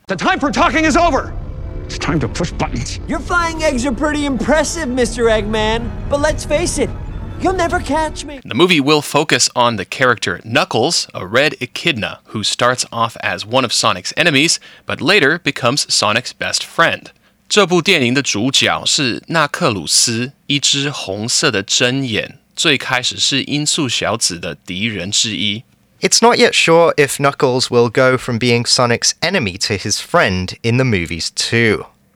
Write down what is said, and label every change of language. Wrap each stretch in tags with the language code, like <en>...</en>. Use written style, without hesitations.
<en>The time for talking is over! It's time to push buttons. Your flying eggs are pretty impressive, Mr. Eggman. But let's face it, you'll never catch me. The movie will focus on the character Knuckles, a red echidna, who starts off as one of Sonic's enemies, but later becomes Sonic's best friend.</en> <zh>这部电影的主角是纳克鲁斯，一只红色的针眼，最开始是音速小子的敌人之一。</zh> <en>It's not yet sure if Knuckles will go from being Sonic's enemy to his friend in the movies too.</en>